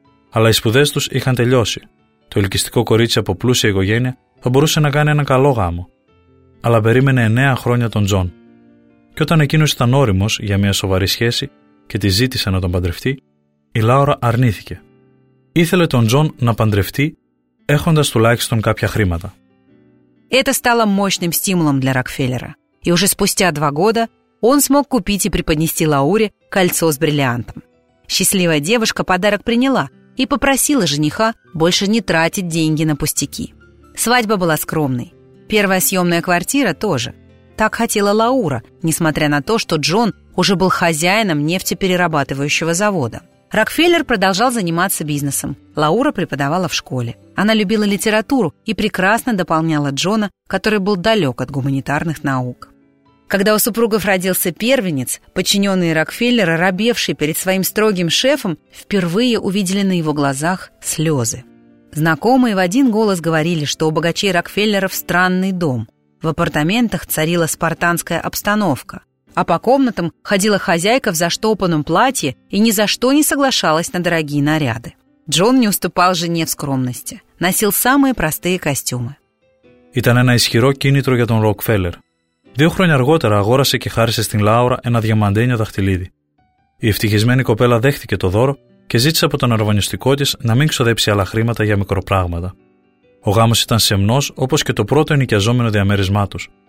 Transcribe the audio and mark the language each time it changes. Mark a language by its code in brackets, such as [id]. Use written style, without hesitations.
[el] Αλλά οι σπουδές τους είχαν τελειώσει. Το ελκυστικό κορίτσι από πλούσια οικογένεια θα μπορούσε να κάνει ένα καλό γάμο. Αλλά περίμενε 9 χρόνια τον Τζον. Και όταν εκείνος ήταν όριμος για μια σοβαρή σχέση και τη ζήτησε να τον παντρευτεί, η Λάουρα αρνήθηκε. Ήθελε τον Τζον να παντρευτεί, έχοντας τουλάχιστον κάποια χρήματα. [ru] Это стало мощным стимулом для Рокфеллера. И уже спустя 2 года он смог купить и преподнести Лауре кольцо с бриллиантом. Счастливая девушка подарок приняла и попросила жениха больше не тратить деньги на пустяки. Свадьба была скромной. Первая съемная квартира тоже. Так хотела Лаура, несмотря на то, что Джон уже был хозяином нефтеперерабатывающего завода. Рокфеллер продолжал заниматься бизнесом. Лаура преподавала в школе. Она любила литературу и прекрасно дополняла Джона, который был далек от гуманитарных наук. Когда у супругов родился первенец, подчиненные Рокфеллера, робевшие перед своим строгим шефом, впервые увидели на его глазах слезы. Знакомые в один голос говорили, что у богачей Рокфеллеров странный дом. В апартаментах царила спартанская обстановка. А по комнатам ходила хозяйка в заштопанном платье и ни за что не соглашалась на дорогие наряды. Джон не уступал жене в скромности, носил самые простые костюмы. [el] Ήταν ένα ισχυρό κίνητρο για τον Ροκφέλλερ. 2 χρόνια αργότερα αγόρασε και χάρισε στην Λάουρα ένα διαμαντένιο δαχτυλίδι. Η ευτυχισμένη κοπέλα δέχτηκε το δώρο και ζήτησε από τον αρβανιστικό της να μην ξοδέψει άλλα χρήματα για μικροπράγματα. Ο γάμος ήταν σεμνός, όπως και το πρώτο ενοικιαζόμενο διαμέρισμά τους.